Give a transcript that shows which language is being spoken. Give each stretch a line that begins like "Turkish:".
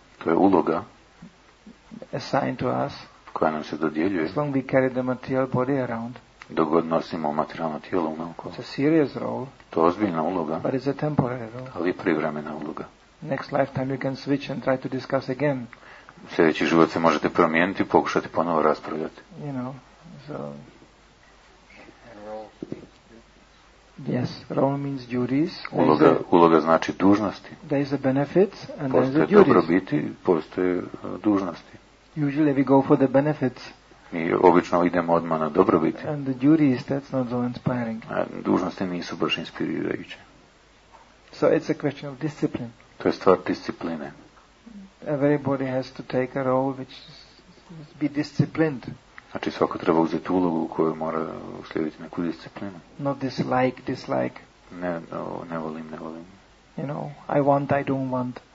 Croatian: To je uloga.
English: Assigned to us.
Croatian: Koja nam se dodjeljuje.
English: As long we carry the material body around.
Croatian: Dok god nosimo materijalno tijelo u nauku.
English: It's a serious role.
Croatian: To je ozbiljna uloga.
English: But it's a temporary role.
Croatian: Ali privremena uloga.
English: Next lifetime you can switch and try to discuss again.
Croatian: Sljedeći život se možete promijeniti i pokušati ponovo raspravljati.
English: You know, so... Yes, role means duties.
Croatian: Uloga znači dužnosti.
English: There is a benefits and there is a duties.
Croatian: Postoje dobrobiti, postoje dužnosti.
English: Usually we go for the benefits.
Croatian: Mi obično idemo odmah na dobrobiti.
English: And the duties, that's not so inspiring.
Croatian: A dužnosti nisu baš inspirirajuće.
English: So it's a question of discipline.
Croatian: To je stvar discipline.
English: Everybody has to take a role which is be disciplined.
Croatian: Znači svako treba uzeti ulogu u kojoj mora uslijediti neku disciplinu.
English: Not dislike.
Croatian: Ne volim.
English: You know, I want, I don't want.